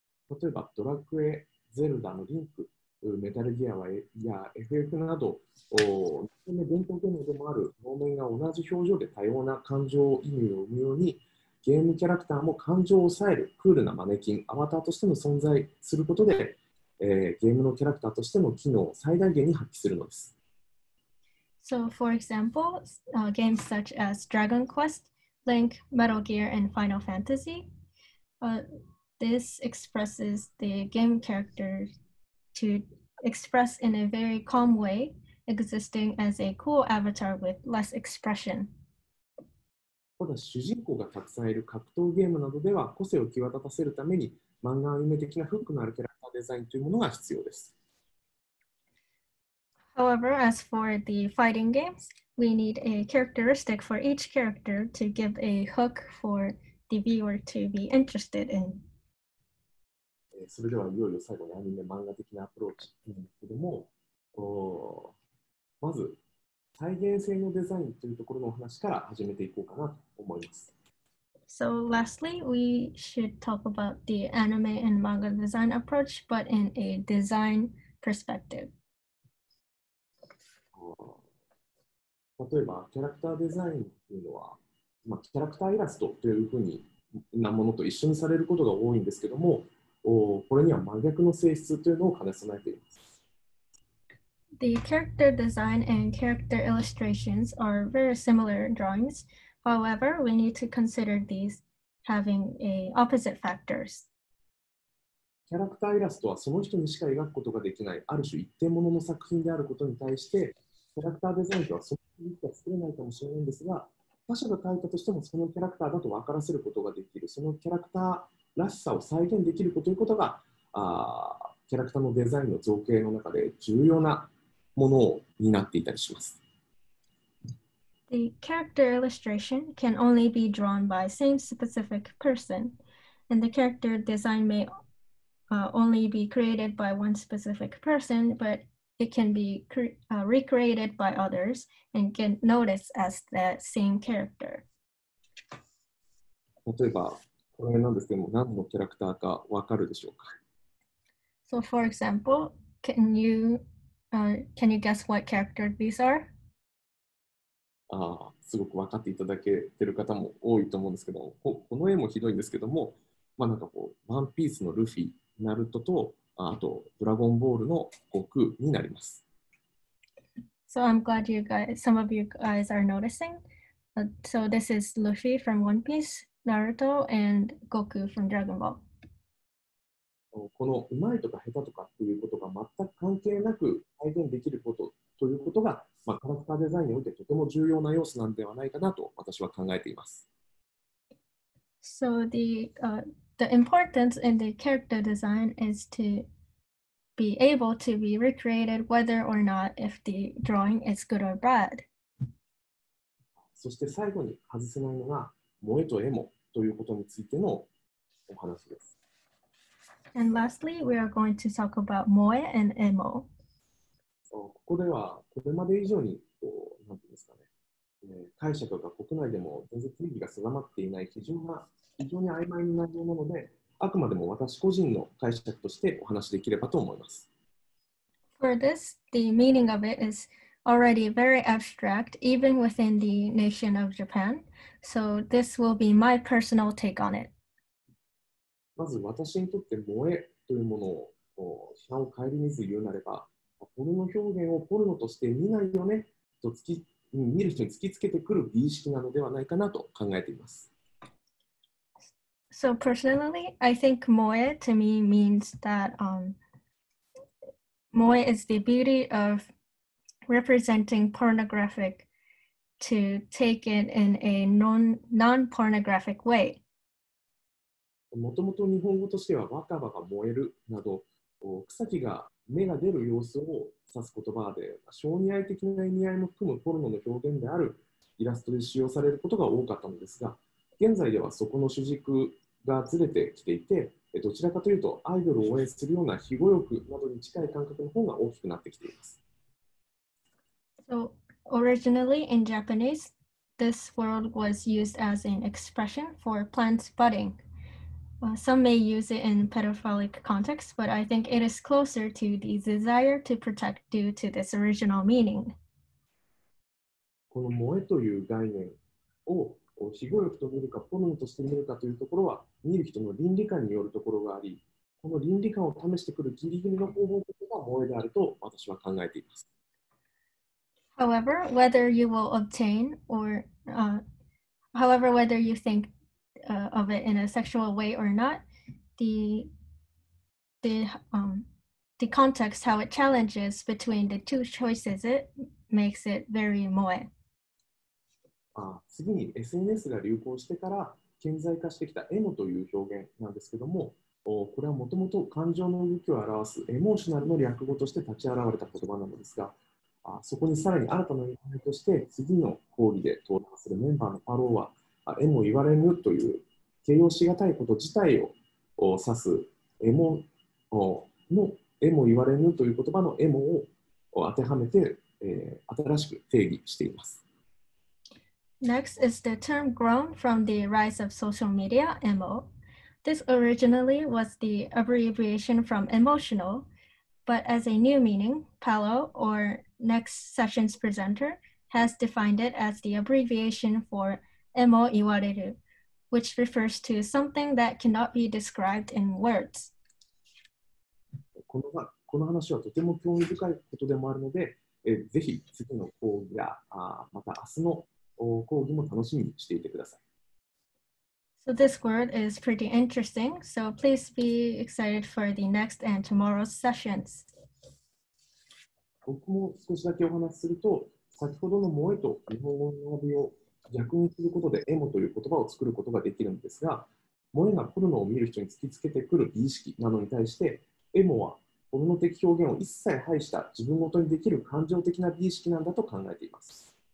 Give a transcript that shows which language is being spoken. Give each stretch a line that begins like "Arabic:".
Japanese: 例えばドラクエ、ゼルダのリンク、メタルギアや FF など、伝統ゲームでもある表面が同じ表情で多様な感情を意味を生むように、ゲームキャラクターも感情を抑えるクールなマネキン、アバターとしての存在することで、ゲームのキャラクターとしての機能を最大限に発揮するのです。
English: So, for example, games such as Dragon Quest, Link, Metal Gear, and Final Fantasy, this expresses the game character to express in a very calm way, existing as a cool avatar with less expression.
Japanese: ただ主人公がたくさんいる格闘ゲームなどでは、個性を際立たせるために、漫画アニメ的なフックのあるキャラクターデザインというものが必要です。
English: However, as for the fighting games, we need a characteristic for each character to give a hook for the viewer to be interested in.
Japanese: それではいよいよ最後にアニメ漫画的なアプローチなんですけども、まず再現性のデザインというところのお話から始めていこうかなと思います。
English: So lastly, we should talk about the anime and manga design approach, but in a design perspective.
Japanese: 例えばキャラクターデザインというのは、まあ、キャラクターイラストというふうになものと一緒にされることが多いんですけども、これには真逆の性質というのを兼ね備えています。
English: The character design and character illustrations are very similar drawings. However, we need to consider these having a opposite factors.
Japanese: キャラクターイラストはその人にしか描くことができないある種一点ものの作品であることに対して、キャラクターデザインとはそういう意味では作れないかもしれないんですが、他者が描いたとしてもそのキャラクターだと分からせることができる、そのキャラクターらしさを再現できることということが、キャラクターのデザインの造形の中で重要なものになっていたりします。
English: The character illustration can only be drawn by same specific person, and the character design may only be created by one specific person, butIt can be recreated by others and get noticed as the same character.
Japanese: 例えば、これなんですけども、何のキャラクターかわかるでしょうか?
English: So for example, can you guess what character these are?
Japanese: すごくわかっていただけてる方も多いと思うんですけども、この絵もひどいんですけども、まあなんかこう、ワンピースのルフィ、ナルトと、あとドラゴンボールの悟空になります。
English: So I'm glad you guys, some of you guys are noticing. So this is Luffy from One Piece, Naruto, and Goku from Dragon Ball.
Japanese: この上手いとか下手とかっていうことが全く関係なく再現できることということが、まあ、キャラクターデザインにおいてとても重要な要素なんではないかなと私は考えています。
English: So The importance in the character design is to be able to be recreated whether or not if the drawing is good or bad.
Japanese: そして最後に外せないのが萌えと絵もということについてのお話です。
English: And lastly, we are going to talk about 萌え and 絵も。
Japanese: ここではこれまで以上に、なんていうんですかね、解釈が国内でも全然定義が定まっていない基準が非常に曖昧になるもので、あくまでも私個人の解釈としてお話しできればと思います。
English: For this, the meaning of it is already very abstract, even within the nation of Japan. So this will be my personal take on it.
Japanese: まず私にとって萌えというものを批判を顧みず言うなれば、ポルノ表現をポルノとして見ないよねと見る人に突きつけてくる美意識なのではないかなと考えています。
English: So personally, I think moe to me means that moe is the beauty of representing pornographic to take it in a non-pornographic way.
Japanese: もともと日本語としては若葉が燃えるなど草木が目が出る様子を指す言葉で、小児愛的な意味合いも含むポルノの表現であるイラストで使用されることが多かったのですが、現在ではそこの主軸がずれてきていて、どちらかというとアイドルを応援するような非語欲などに近い感覚の方が大きくなってきています。
English: So, originally in Japanese, this word was used as an expression for plants budding. Some may use it in pedophilic context, but I think it is closer to the desire to protect due to this original meaning.
Japanese: この萌えという概念を非語欲と見るか、ポルノとして見るかというところは、見る人の倫理観によるところがあり、この倫理観を試してくるギリギリの方法が萌えであると私は考えています。
English: However, whether you will obtain or, however, whether you think of it in a sexual way or not, the context, how it challenges between the two choices, it makes it very moe.
Japanese: ああ、次に SNS が流行してから顕在化してきたエモという表現なんですけども、これはもともと感情の動きを表すエモーショナルの略語として立ち現れた言葉なのですが、そこにさらに新たな意味として次の講義で登壇するメンバーのパローは、エモ言われぬという形容しがたいこと自体を指すエモのエモ言われぬという言葉のエモを当てはめて、新しく定義しています。
English: Next is the term grown from the rise of social media, emo. This originally was the abbreviation from emotional, but as a new meaning, Palo orNext session's presenter has defined it as the abbreviation for emo iwareru, which refers to something that cannot be described in words.
Japanese: この話はとても興味深いことでもあるので、ぜひ次の講義や、また明日の講義も楽しみにしていてください。
English: So this word is pretty interesting, so please be excited for the next and tomorrow's sessions.
Japanese: 僕も少しだけお話しすると、先ほどの萌えと日本語の並びを逆にすることでエモという言葉を作ることができるんですが、萌えがポルノを見る人に突きつけてくる美意識なのに対して、エモはポルノ的表現を一切排した自分ごとにできる感情的な美意識なんだと考えています。